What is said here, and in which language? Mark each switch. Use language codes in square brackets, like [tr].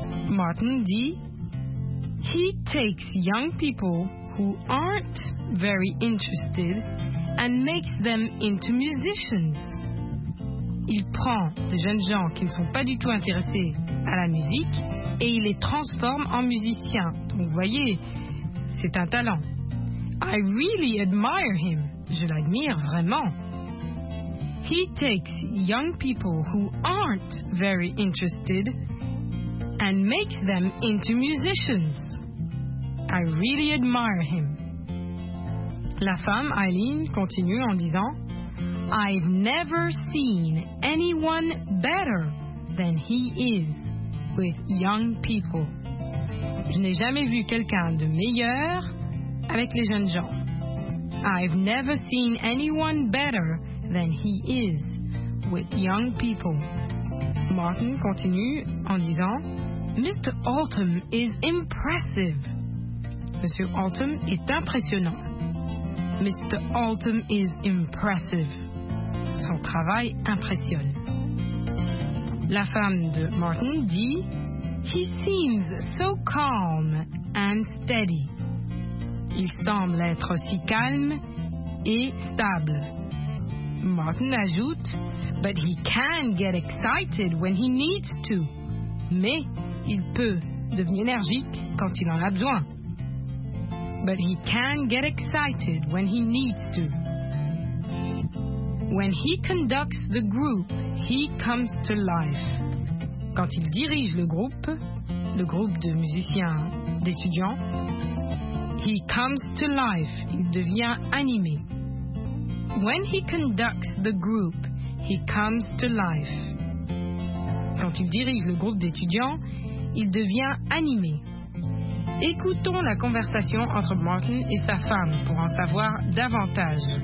[fr] Martin dit [en] « He takes young people who aren't very interested and makes them into musicians. » [fr] Il prend de jeunes gens qui ne sont pas du tout intéressés à la musique et il les transforme en musiciens. Donc vous voyez, c'est un talent. [en] I really admire him. [fr] Je l'admire vraiment. [en] He takes young people who aren't very interested and makes them into musicians. I really admire him. [fr] La femme, Eileen, continue en disant, [en] I've never seen anyone better than he is with young people. [fr] Je n'ai jamais vu quelqu'un de meilleur avec les jeunes gens. [en] I've never seen anyone better than he is with young people. [fr] Martin continue en disant, [en] Mr. Altum is impressive. [fr] Monsieur Altum est impressionnant. Mr. [en] Altum is impressive. [fr] Son travail impressionne. La femme de Martin dit, [en] He seems so calm and steady. [fr] Il semble être si calme et stable. Martin ajoute, [en] But he can get excited when he needs to. [fr] Mais il peut devenir énergique quand il en a besoin. [en] But he can get excited when he needs to. When he conducts the group, he comes to life. [fr] Quand il dirige le groupe de musiciens, d'étudiants, [en] he comes to life, [fr] il devient animé. When he conducts the group, he comes to life. Quand il dirige le groupe d'étudiants, il devient animé. Écoutons la conversation entre Martin et sa femme pour en savoir davantage.